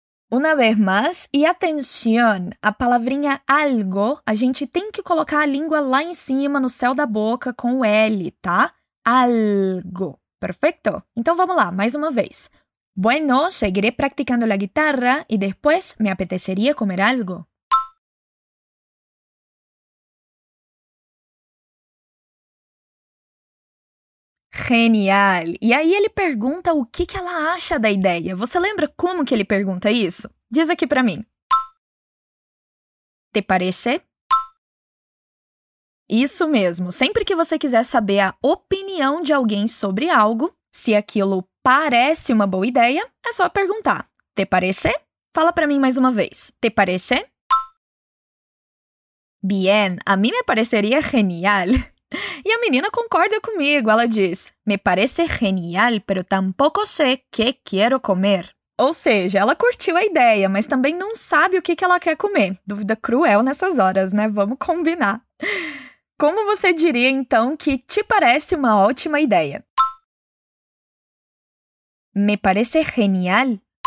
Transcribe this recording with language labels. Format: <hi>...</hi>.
<es>Una vez más, y atención,</es> <pt>a palavrinha algo, a gente tem que colocar a língua lá em cima, no céu da boca, com o L, tá? Algo, perfecto? Então vamos lá, mais uma vez.</pt> <es>Bueno, seguiré practicando la guitarra y después me apetecería comer algo. Genial!</es> <pt>E aí ele pergunta o que ela acha da ideia. Você lembra como que ele pergunta isso? Diz aqui pra mim.</pt> <es>Te parece?</es> <pt>Isso mesmo. Sempre que você quiser saber a opinião de alguém sobre algo, se aquilo parece uma boa ideia, é só perguntar.</pt> <es>Te parece?</es> <pt>Fala pra mim mais uma vez.</pt> <es>Te parece?</es> <pt>Bien, a mim me pareceria genial. E a menina concorda comigo, ela diz,</pt> <es>me parece genial, pero tampoco sé qué quiero comer.</es> <pt>Ou seja, ela curtiu a ideia, mas também não sabe o que ela quer comer. Dúvida cruel nessas horas, né? Vamos combinar. Como você diria, então, que te parece uma ótima ideia?</pt> <es>Me parece genial.</es>